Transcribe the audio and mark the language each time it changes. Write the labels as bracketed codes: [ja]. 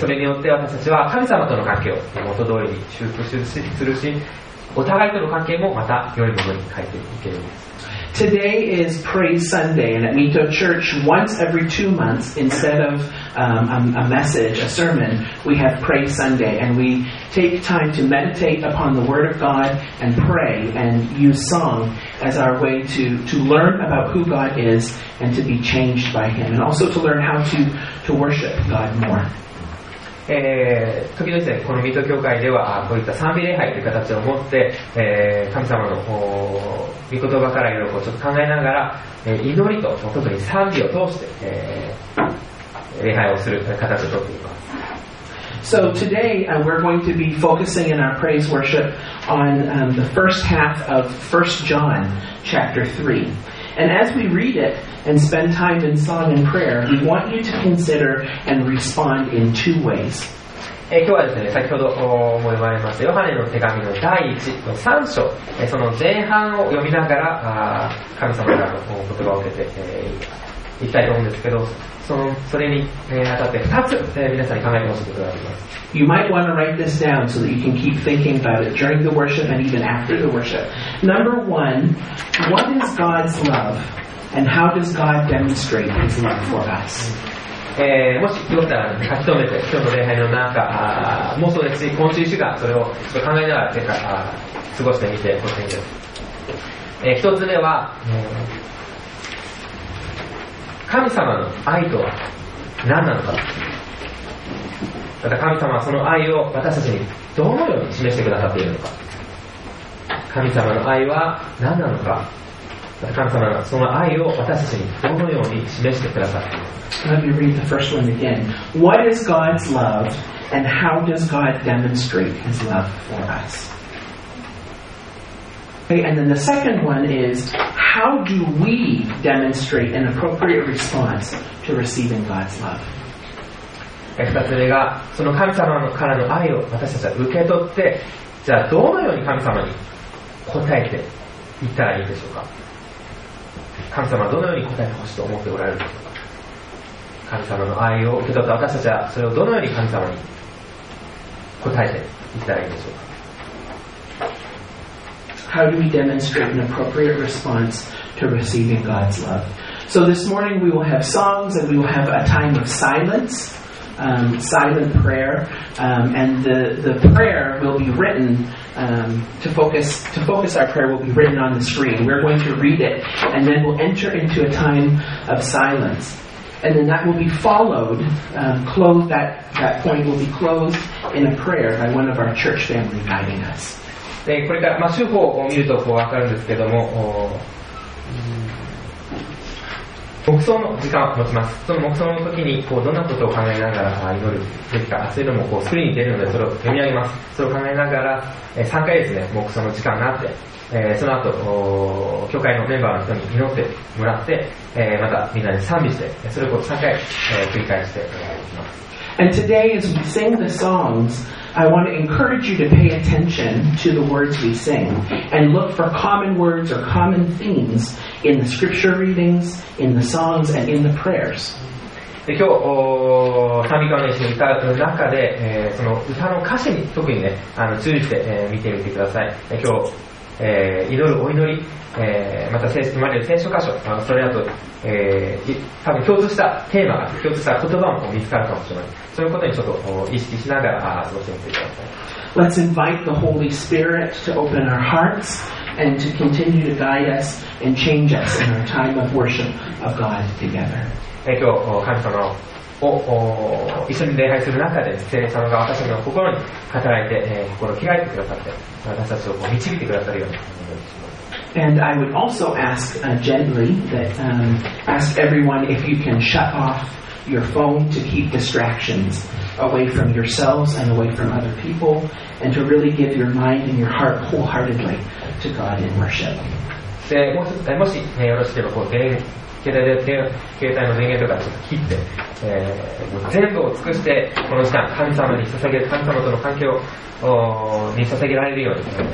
[ja] それによって私たちは神様との関係を元通りに修復するし、お互いとの関係もまた良いものに変えていけるんです。 [en] Today is Praise Sunday, and at Mito Church, once every 2 months, instead of a message, a sermon, we have Praise Sunday, and we take time to meditate upon the Word of God and pray and use song as our way to learn about who God is and to be changed by Him, and also to learn how to worship God more. [ja] 時々ですね、この水戸教会ではこういった賛美礼拝という形を持って、神様の御言葉からいろいろ考えながら、祈りと特に賛美を通して、礼拝をする形をとっています。 [en] So today, we're going to be focusing in our praise worship on the first half of 1 John chapter 3. And as we read itAnd spend time in song and prayer, we want you to consider and respond in two ways. [ja] 今日はですね、先ほど思い出しました、ヨハネの手紙の第1の3章、その前半を読みながら、神様からの言葉を受けて、いきたいと思うんですけど、それに、当たって2つ、皆さんに考えてほしいことがあります。 [en] You might want to write this down so that you can keep thinking about it during the worship and even after the worship. Number one, what is God's love? And how does God demonstrate His love for us? [ja] もしよかったら書き留めて、今日の礼拝の中、もうそうですし、今週1週間、それを考えながら、結果、過ごしてみてほしいです。一つ目は、神様の愛とは何なのか。また神様はその愛を私たちにどのように示してくださっているのか。神様の愛は何なのか。神様がその愛を私たちにどのように示してくださっているか。 [en] Let me read the first one again. What is God's love, and how does God demonstrate His love for us? Okay, and then the second one is, how do we demonstrate an appropriate response to receiving God's love? [ja] 二つ目が、その神様からの愛を私たちは受け取って、じゃあどのように神様に答えていったらいいでしょうか。神様はどのように答えてほしいと思っておられるのか。神様の愛を受け取った私たちはそれをどのように神様に答えていったらいいでしょうか。 [en] How do we demonstrate an appropriate response to receiving God's love? So this morning we will have songs and we will have a time of silence silent prayer, and the prayer will be written to focus our prayer will be written on the screen. We're going to read it, and then we'll enter into a time of silence. And then that will be followed, closed, that point will be closed in a prayer by one of our church family guiding us. [ja] でこれから、まあ、手法を見るとこう分かるんですけども、黙想の時間を持ちます。その黙想の時にこうどんなことを考えながら祈るべきか、そういうのもこうスクリーンに出るのでそれを読み上げます。それを考えながら、3回ですね、黙想の時間があって、その後教会のメンバーの人に祈ってもらって、またみんなで賛美してそれをこう3回、繰り返してお願いします。 [en] And today as we sing the songsI want to encourage you to pay attention to the words we sing and look for common words or common themes in the scripture readings, in the songs, and in the prayers. [ja] で今日、賛美歌を一緒に歌う中で、その歌の歌詞に特にね、注意して、見てみてください。今日、祈るお祈り、また生まれる聖書箇所、それだと、多分共通したテーマ、共通した言葉も見つかるかもしれません。そういうことにちょっと意識しながら過ごしてみてください。 [en] Let's invite the Holy Spirit to open our hearts and to continue to guide us and change us in our time of worship of God together. [ja] 今日、神様を一緒に礼拝する中で、聖霊様が私たちの心に働いて、心を開いてくださって、私たちを導いてくださるようにお願いします。 [en] And I would also ask gently that ask everyone if you can shut off your phone to keep distractions away from yourselves and away from other people, and to really give your mind and your heart wholeheartedly to God in worship. [ja] で、もし、ね、よろしければこう携帯の電源とかちょっと切って、もう全部を尽くしてこの時間神様に捧げる、神様との関係をに捧げられるように。